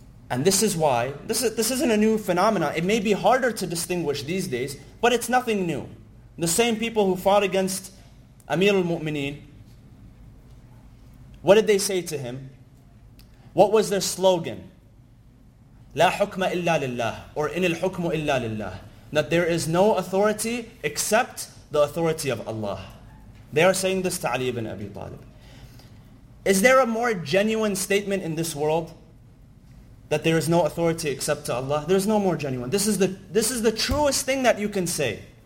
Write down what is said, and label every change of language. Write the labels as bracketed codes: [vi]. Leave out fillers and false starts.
[en] And this is why, this isn't a new phenomenon. It may be harder to distinguish these days, but it's nothing new. The same people who fought against Amir al-Mu'mineen, what did they say to him? What was their slogan? [ar] لا حكم إلا لله, or إن الحكم إلا لله. [en] That there is no authority except the authority of Allah. They are saying this to Ali ibn Abi Talib. Is there a more genuine statement in this world? That there is no authority except to Allah? There is no more genuine. This is the truest thing that you can say.